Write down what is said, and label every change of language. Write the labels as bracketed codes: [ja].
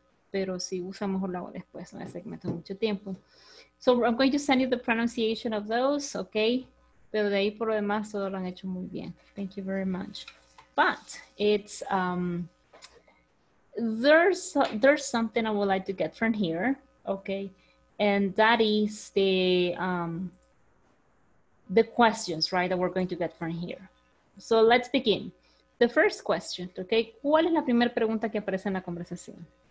[es] Pero si usa mejor la voz después, no sé que me tome mucho tiempo. [en] So I'm going to send you the pronunciation of those, okay? [es] Pero de ahí por lo demás, todo lo han hecho muy bien. [en] Thank you very much. But it's, there's something I would like to get from here, okay? And that is the questions, right, that we're going to get from here. So let's begin. The first question, okay? [es] ¿Cuál es la primera pregunta que aparece en la conversación?